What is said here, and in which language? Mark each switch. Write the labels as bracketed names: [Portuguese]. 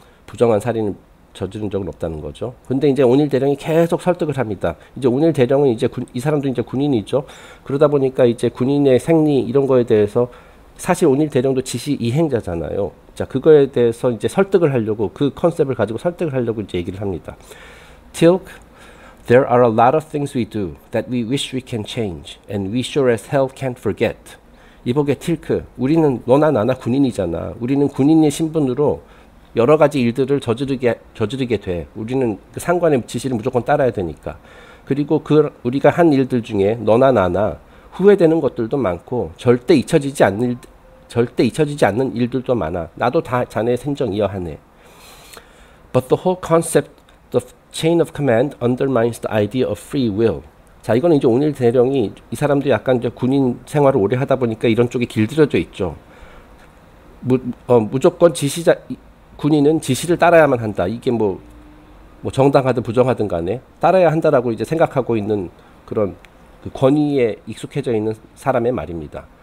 [Korean] 부정한 살인을 저지른 적은 없다는 거죠. 근데 이제 온일 대령이 계속 설득을 합니다. 이제 온일 대령은 이제 이 사람도 이제 군인이죠. 그러다 보니까 이제 군인의 생리 이런 거에 대해서 사실 온일 대령도 지시 이행자잖아요. 자, 그거에 대해서 이제 설득을 하려고 그 컨셉을 가지고 설득을 하려고 이제 얘기를 합니다. [English] Tilk, there are a lot of things we do that we wish we can change, and we sure as hell can't forget. [Korean] 이보게 틸크, 우리는 너나 나나 군인이잖아. 우리는 군인의 신분으로 여러 가지 일들을 저지르게 돼. 우리는 그 상관의 지시를 무조건 따라야 되니까. 그리고 그 우리가 한 일들 중에 너나 나나 후회되는 것들도 많고 절대 잊혀지지 않는 일들도 많아. 나도 다 자네 생정 이어하네. [English] But the whole concept of chain of command undermines the idea of free will. [Korean] 자, 이거는 이제 온일 대령이 이 사람도 약간 이제 군인 생활을 오래 하다 보니까 이런 쪽이 길들여져 있죠. 무조건 군인은 지시를 따라야만 한다. 이게 뭐 정당하든 부정하든 간에 따라야 한다라고 이제 생각하고 있는 그런 그 권위에 익숙해져 있는 사람의 말입니다.